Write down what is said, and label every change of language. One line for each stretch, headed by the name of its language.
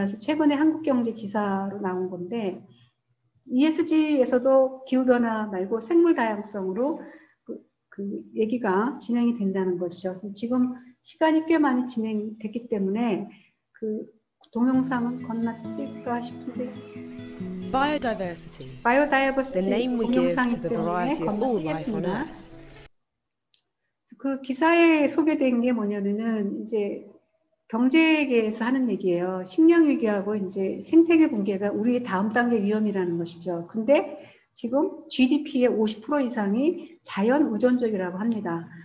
Korean: 그래서 최근에 한국경제 기사로 나온 건데 ESG에서도 기후변화 말고 생물 다양성으로 그 얘기가 진행이 된다는 것이죠. 지금 시간이 꽤 많이 진행됐기 때문에 그 동영상은 건너뛸까 싶은데
English: Biodiversity, the name we give to the variety of all life on Earth.
Korean: 그 기사에 소개된 게 뭐냐면은 이제 경제계에서 하는 얘기예요. 식량 위기하고 이제 생태계 붕괴가 우리의 다음 단계 위험이라는 것이죠. 근데 지금 GDP의 50% 이상이 자연 의존적이라고 합니다.